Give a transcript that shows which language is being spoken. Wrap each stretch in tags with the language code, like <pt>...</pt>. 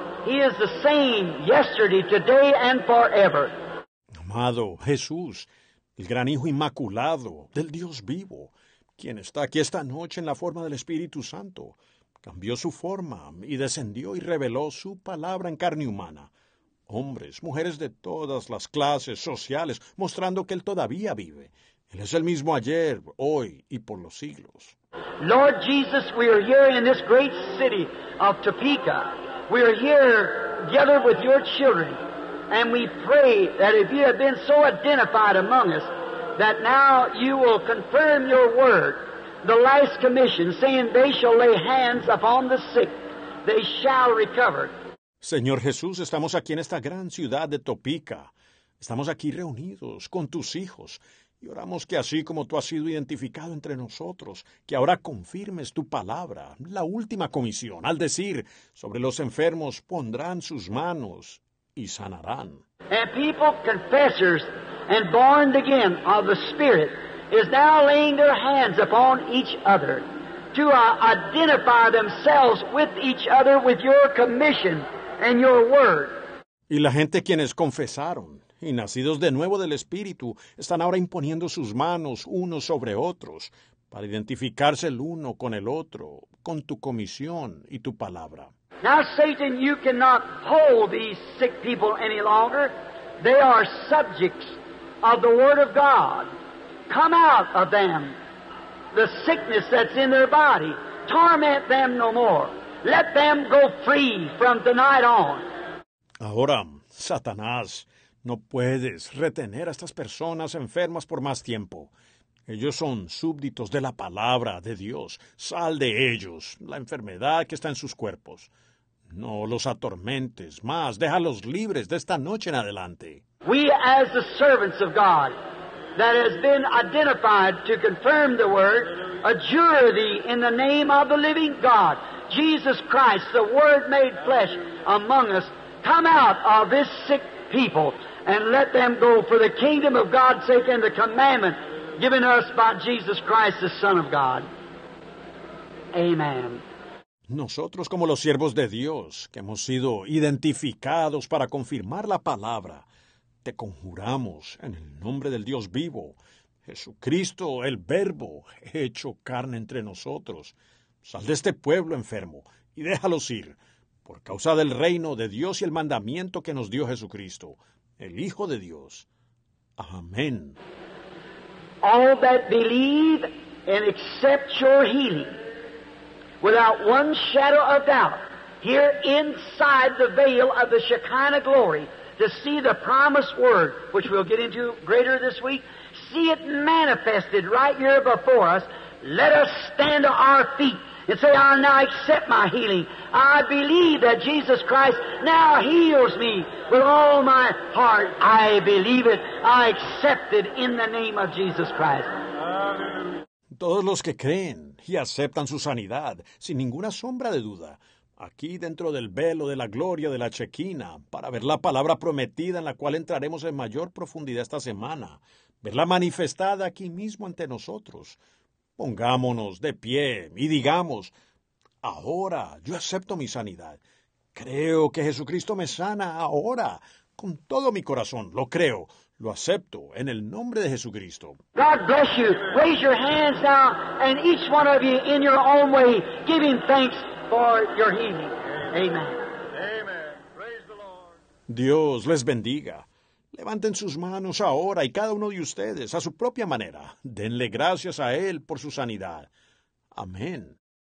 <en>He is the same yesterday, today, and forever.</en> <es>Amado Jesús, el gran Hijo Inmaculado del Dios vivo, quien está aquí esta noche en la forma del Espíritu Santo, cambió su forma y descendió y reveló su palabra en carne humana. Hombres, mujeres de todas las clases sociales, mostrando que Él todavía vive. Él es el mismo ayer, hoy y por los siglos.</es> <en>Lord Jesus, we are here in this great city of Topeka. We are here together with your children. And we pray that if you have been so identified among us, that now you will confirm your word, the last commission, saying they shall lay hands upon the sick, they shall recover.</en> <es>Señor Jesús, estamos aquí en esta gran ciudad de Topeka. Estamos aquí reunidos con tus hijos. Y oramos que así como tú has sido identificado entre nosotros, que ahora confirmes tu palabra, la última comisión, al decir, sobre los enfermos pondrán sus manos y sanarán.</es> <en>And people, confessors, and born again of the Spirit, is now laying their hands upon each other to identify themselves with each other with your commission and your word.</en> <es>Y la gente quienes confesaron y nacidos de nuevo del Espíritu están ahora imponiendo sus manos unos sobre otros para identificarse el uno con el otro, con tu comisión y tu palabra.</es> <en>Now, Satan, you cannot hold these sick people any longer. They are subjects of the Word of God. Come out of them, the sickness that's in their body. Torment them no more. Let them go free from tonight on.</en> <es>Ahora, Satanás, no puedes retener a estas personas enfermas por más tiempo. Ellos son súbditos de la palabra de Dios. Sal de ellos, la enfermedad que está en sus cuerpos. No los atormentes más. Déjalos libres de esta noche en adelante.</es> <en>We as the servants of God that has been identified to confirm the word, adjure thee in the name of the living God, Jesus Christ, the word made flesh among us, come out of this sick people and let them go for the kingdom of God's sake and the commandment given us by Jesus Christ, the Son of God. Amen.</en> <es>Nosotros, como los siervos de Dios, que hemos sido identificados para confirmar la palabra, te conjuramos en el nombre del Dios vivo, Jesucristo, el Verbo, hecho carne entre nosotros. Sal de este pueblo enfermo y déjalos ir, por causa del reino de Dios y el mandamiento que nos dio Jesucristo, el Hijo de Dios. Amén.</es> <en>All that believe and accept your healing, without one shadow of doubt, here inside the veil of the Shekinah glory, to see the promised word, which we'll get into greater this week, see it manifested right here before us, let us stand to our feet and say, I now accept my healing. I believe that Jesus Christ now heals me with all my heart. I believe it. I accept it in the name of Jesus Christ.</en> <es>Todos los que creen y aceptan su sanidad, sin ninguna sombra de duda, aquí dentro del velo de la gloria de la Chequina, para ver la palabra prometida en la cual entraremos en mayor profundidad esta semana, verla manifestada aquí mismo ante nosotros. Pongámonos de pie y digamos, ahora yo acepto mi sanidad. Creo que Jesucristo me sana ahora, con todo mi corazón, lo creo. Lo acepto en el nombre de Jesucristo.</es> <en>God bless you. Raise your hands now, and each one of you in your own way, give him thanks for your healing. Amen. Amen. Praise the Lord.</en> <es>Dios les bendiga. Levanten sus manos ahora y cada uno de ustedes a su propia manera. Denle gracias a Él por su sanidad. Amén.</es>